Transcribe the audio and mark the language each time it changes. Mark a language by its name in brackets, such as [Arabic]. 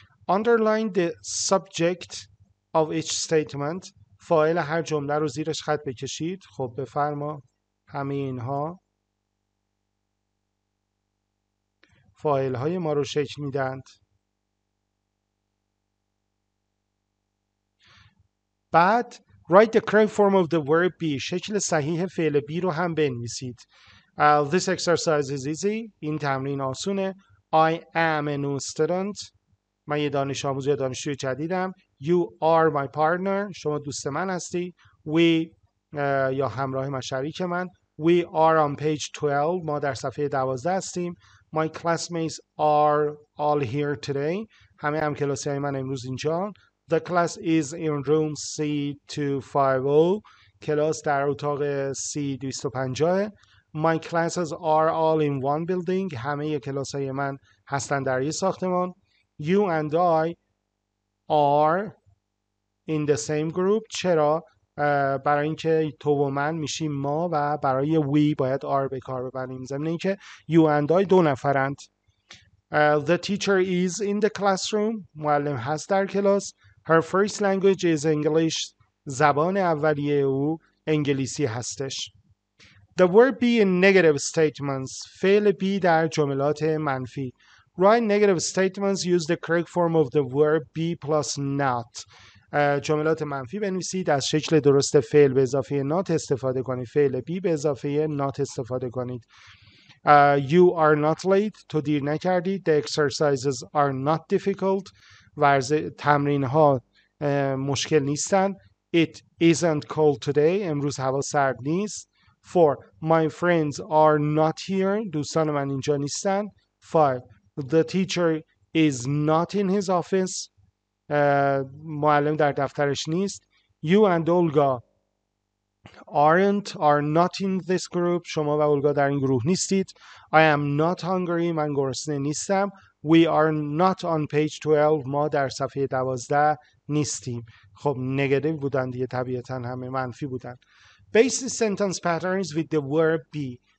[English] Underline the subject of each statement. [Persian] فاعل هر جمله رو زیرش خط بکشید. خب بفرما همه اینها فاعل های ما رو شکل میدند. [English] بعد write the correct form of the verb be. [Persian] شکل صحیح فعل be رو هم بنویسید. [English] This exercise is easy. [Persian] این تمرین آسونه. [English] I am a new student. [Persian] من یه دانش آموز یا دانشجوی جدیدم. [English] You are my partner. [Persian] شما دوست من هستی. We یا همراه من، شریک من. [English] We are on page 12. [Persian] ما در صفحه 12 هستیم. [English] My classmates are all here today. [Persian] همه هم کلاسی های من امروز اینجا. [English] The class is in room C250. [Persian] کلاس در اتاق C250. [English] My classes are all in one building. [Persian] همه کلاس های من هستن در یه ساختمان. [English] You and I are in the same group. [Persian] چرا؟ برای اینکه تو و من میشیم ما و برای we باید are به کار ببریم. ضمن اینکه [English] you and I [Persian] دو نفرند. [English] The teacher is in the classroom. [Persian] معلم هست در کلاس. [English] Her first language is English. [Persian] زبان اولیه او انگلیسی هستش. [English] The word be in negative statements. [Persian] فعل be در جملات منفی. [English] Write negative statements. Use the correct form of the verb be plus not. [Persian] جملات منفی بنویسید. از شکل درست فعل به اضافه not استفاده کنید. فعل be به اضافه not استفاده کنید. [English] You are not late. [Persian] تو دیر نکردی. [English] The exercises are not difficult. [Persian] تمرین ها مشکل نیستن. [English] It isn't cold today. [Persian] امروز هوا سرد نیست. [English] 4. My friends are not here. [Persian] دوستان من اینجا نیستن. [English] 5. The teacher is not in his office. [Persian] معلم در دفترش نیست. [English] You and Olga are not in this group. [Persian] شما و اولگا در این گروه نیستید. [English] I am not hungry. [Persian] من گرسنه نیستم. [English] We are not on page 12. [Persian] ما در صفحه 12 نیستیم. خب نگاتیو بودن دیگه طبیعتا همه منفی بودن. [English] Basic sentence patterns with the verb be.